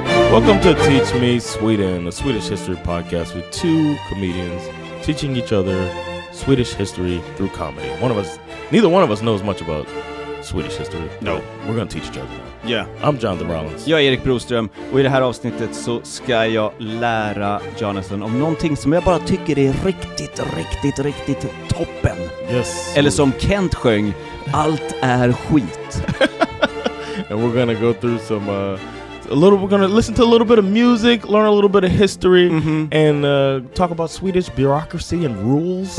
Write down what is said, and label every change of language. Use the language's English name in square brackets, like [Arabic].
[English] Welcome to Teach Me Sweden, a Swedish history podcast with two comedians teaching each other Swedish history through comedy. Neither one of us knows much about Swedish history. No. We're going to teach each other. Yeah. I'm Jonathan Rollins. [Swedish] Jag är Erik Broström. Och i det här avsnittet så ska jag lära Jonathan om någonting som jag bara tycker är riktigt, riktigt, riktigt toppen. [English] Yes. [Swedish] Eller som Kent sjöng, allt är skit. [English] And we're going to go through some... we're going to listen to a little bit of music, learn a little bit of history, and talk about Swedish bureaucracy and rules.